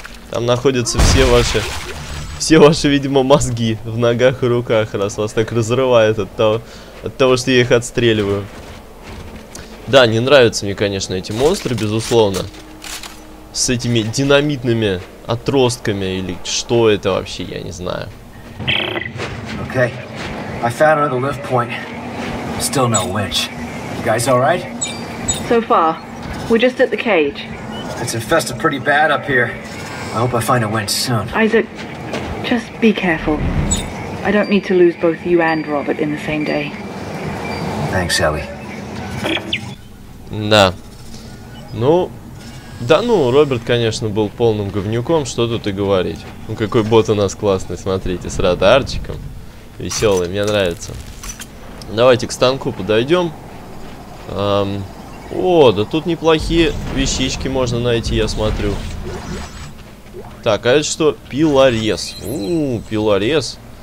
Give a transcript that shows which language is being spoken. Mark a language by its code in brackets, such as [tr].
[ru] Там находятся все ваши... Все ваши, видимо, мозги в ногах и руках, раз вас так разрывает от того, что я их отстреливаю. Да, не нравятся мне, конечно, эти монстры, безусловно. С этими динамитными отростками, или что это вообще, я не знаю. [en] Okay. I found another lift point. Still no winch. You guys all right? So far. We just hit the cage. It's infested pretty bad up here. I hope I find a winch soon. Isaac... Just be careful. I don't need to lose both you and Robert in the same day. Thanks, Ellie. [ru] Да. Ну, да ну, Роберт, конечно, был полным говнюком, что тут и говорить. Ну, какой бот у нас классный, смотрите, с радарчиком. Веселый, мне нравится. Давайте к станку подойдем. О, да тут неплохие вещички можно найти, я смотрю. Так, а это что? Пилорез. Пилорез.